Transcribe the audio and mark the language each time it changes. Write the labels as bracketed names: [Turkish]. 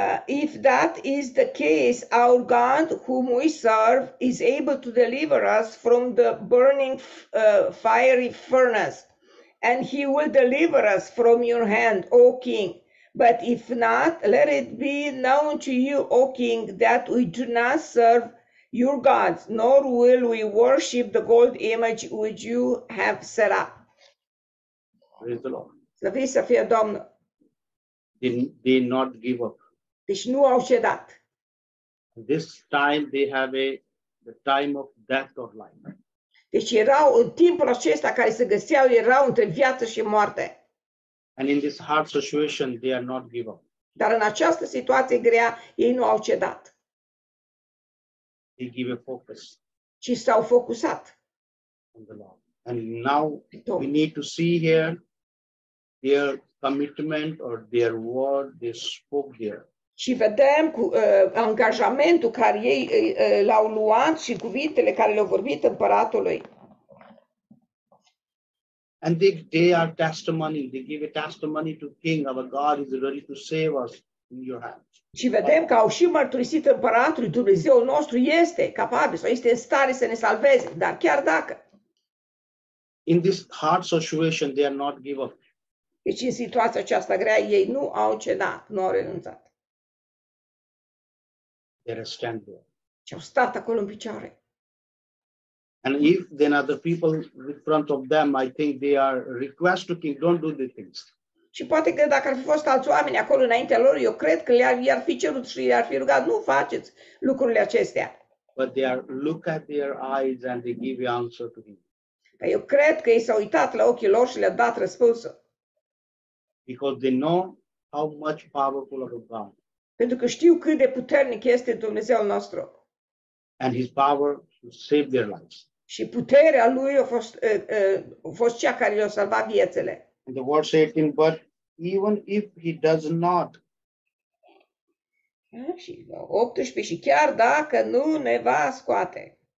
[English] If that is the case, our God whom we serve is able to deliver us from the burning fiery furnace, and he will deliver us from your hand, O King. But if not, let it be known to you, O King, that we do not serve your gods, nor will we worship the gold image which you have set up. Praise the Lord. They not give up. [Romanian] Deci nu au cedat. [English] This time they have the time of death or life. [Romanian] Deci erau în timpul acesta care se găseau, erau între viață și moarte. [English] And in this hard situation, they are not give up. [Romanian] Dar în această situație grea, ei nu au cedat. [English] They give a focus. [Romanian] Ci s-au focusat. [English] On the Lord. And now we need to see here their commitment or their word they spoke here. [Romanian] Și vedem cu angajamentul care ei l-au luat și cuvintele care le-au vorbit împăratului. [English] And they are testimony. They give a testimony to King. Our God is ready to save us in your hands. [Romanian] Și vedem că au și mărturisit împăratului, Dumnezeul nostru este capabil sau este în stare să ne salveze, dar chiar dacă. [English] In this hard situation, they are not give up. [Romanian] Deci în situația aceasta grea, ei nu au cedat, nu au renunțat. [English] They are stand there. [Romanian] Și au stat acolo în picioare. [English] And if then other people in front of them, I think they are request to King, don't do these things. [Romanian] Și poate că dacă ar fi fost alți oameni acolo înaintea lor, eu cred că i-ar fi cerut și i-ar fi rugat, nu faceți lucrurile acestea. [English] But they are look at their eyes and they give the answer to him. [Romanian] Dar eu cred că ei s-au uitat la ochii lor și le-a dat răspunsul. [English] Because they know how much powerful of a God. [Romanian] Pentru că știu cât de puternic este Dumnezeul nostru. [English] And his power to save their lives. [Romanian] Și puterea lui a fost cea care i-a salvat viețile. [English] And the verse 18, but even if he does not. [Romanian] Și 18, și chiar dacă nu ne va scoate.